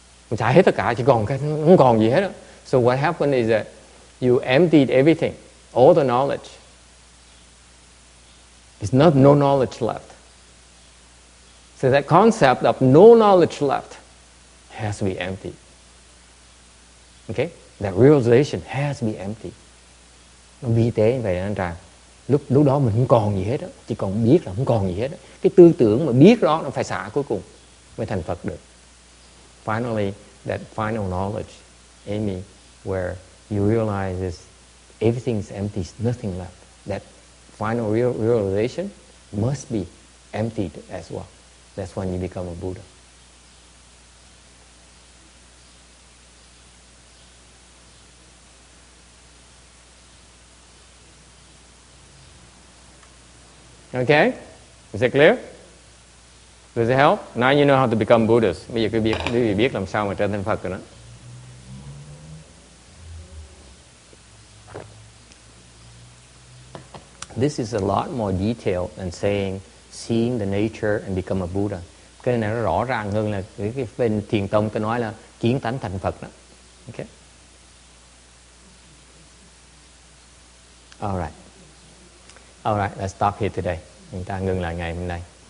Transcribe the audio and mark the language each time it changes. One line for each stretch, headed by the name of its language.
Vietnamese: Mình xả hết tất cả chỉ còn cái nó không còn gì hết đó.
English: So what happened is that you emptied everything, all the knowledge. There's not no knowledge left. So that concept of no knowledge left has to be empty. Okay? That realization has to be empty.
Vietnamese: Nó vi tế như vậy đó anh Trang. Lúc đó mình không còn gì hết á. Chỉ còn biết là không còn gì hết á. Cái tư tưởng mà biết đó nó phải xả cuối cùng mới thành Phật được.
English: Finally, that final knowledge, Amy, where you realize is everything is empty, nothing left. That final realization must be emptied as well. That's when you become a Buddha. Okay? Is it clear? Does it help? Now you know how to become Buddhist.
Vietnamese: Bây giờ quý vị biết làm sao mà trở thành Phật rồi đó.
English: This is a lot more detailed than saying seeing the nature and become a Buddha.
Vietnamese: Cái này nó rõ ràng hơn là cái bên thiền tông ta nói là kiến tánh thành Phật đó.
English: Okay? All right. All right, let's stop here today.
Vietnamese: Chúng ta ngừng lại ngày hôm nay.